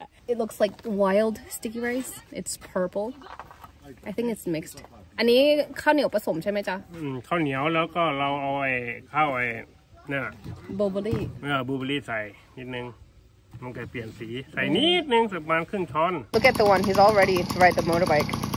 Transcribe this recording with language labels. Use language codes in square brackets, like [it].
[en] It looks like wild sticky rice. It's purple. I think it's mixed. [th] อันนี้ข้าวเหนียวผสมใช่ไหมจ๊ะ ข้าวเหนียวแล้วก็เราเอาไอ้ข้าวไอ้เนี่ย [en] Bubbly. [th] Bubbly ใส่นิดนึง มันก็เปลี่ยนสีใส่นิดนึงสักประมาณครึ่งช้อน [en] Look at the one, he's all ready to ride the motorbike.